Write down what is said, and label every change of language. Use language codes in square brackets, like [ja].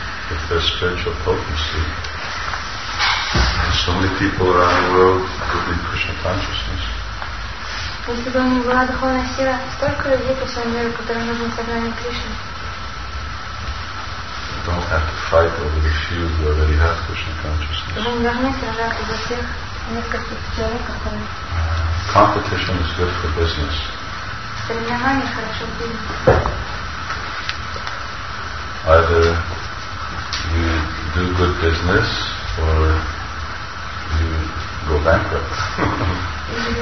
[en] If there's spiritual potency, so many people around the world could be Krishna consciousness. [ru] Если бы у него была духовная сила, столько людей по всему миру, которым нужно сознание Кришны. [en] You don't have to fight over the few who already have Krishna consciousness. [ru] Вы не должны сражаться за всех нескольких человек, которые... [en] Competition is good for business. [ru] Соревнования хорошо в бизнесе. [en] Either you do good business, or you go bankrupt.